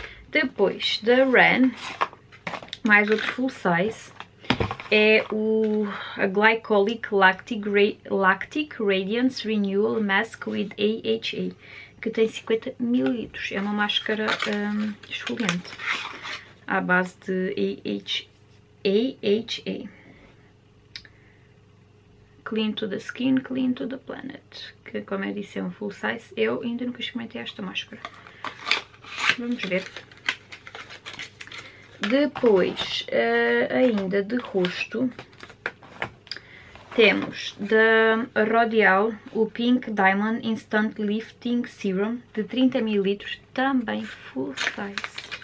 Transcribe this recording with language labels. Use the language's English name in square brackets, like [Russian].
[Portuguese] Depois da Ren, mais outro full size, é a Glycolic Lactic Radiance Renewal Mask with AHA, que tem 50 ml. É uma máscara esfoliante à base de AHA. [English] Clean to the skin, clean to the planet. [Portuguese] Que, como eu disse, é um full size. Eu ainda nunca experimentei esta máscara. Vamos ver. Depois, ainda de rosto, temos da R'Oréal o Pink Diamond Instant Lifting Serum de 30 ml, também full size.